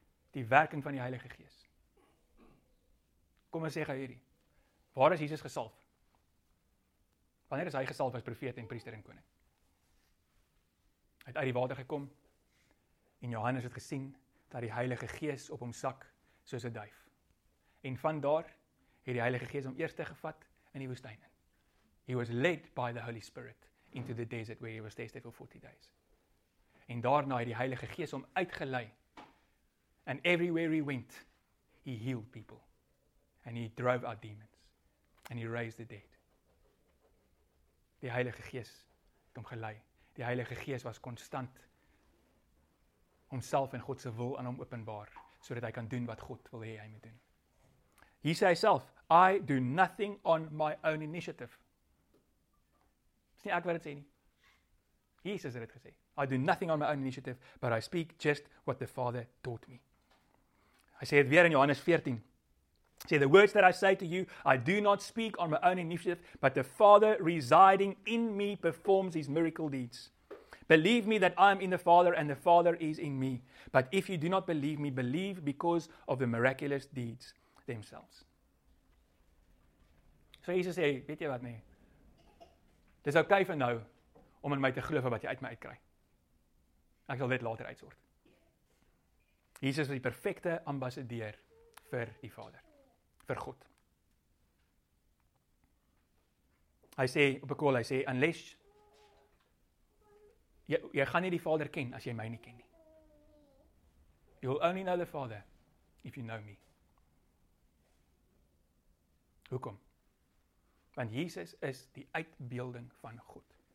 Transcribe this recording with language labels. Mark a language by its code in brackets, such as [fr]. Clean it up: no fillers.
[af] Die werking van die Heilige Gees. Kom en sê gou hierdie. Waar is Jesus gesalf? Wanneer is hy gesalf as profeet en priester en koning? Hy het uit die water gekom en Johannes het gesien dat die Heilige Gees op hom sak soos 'n duif. En van daar het die Heilige Gees hom eers gevat in die woestyn in. [en] He was led by the Holy Spirit into the desert where he was tested for 40 days. [af] En daarna het die Heilige Gees hom uitgelei. [en] And everywhere he went, he healed people. And he drove out demons. And he raised the dead. [af] Die Heilige Gees het hom gelei. Die Heilige Gees was konstant homself en God se wil aan hom openbaar, sodat hy kan doen wat God wil hê hy moet doen. He sê hy self, [en] I do nothing on my own initiative. [af] Dis nie ek wat dit sê nie. Jesus het dit gesê. [en] I do nothing on my own initiative, but I speak just what the Father taught me. [af] Hy sê dit weer in Johannes 14. [en] See, the words that I say to you, I do not speak on my own initiative, but the Father residing in me performs his miracle deeds. Believe me that I am in the Father and the Father is in me. But if you do not believe me, believe because of the miraculous deeds themselves. [af] So Jesus sê, weet jy wat nie? Dis okay vir nou om in my te glo wat jy uit my uitkry. Ek sal dit later uitsort. Jesus was die perfekte ambassadeur vir die Vader. Vir God. Hy sê, op 'n kool, hy sê, unless, jy gaan nie die Vader ken, as jy my nie ken nie. [en] You'll only know the Father, if you know me. [af] Hoekom? Want Jesus is die uitbeelding van God.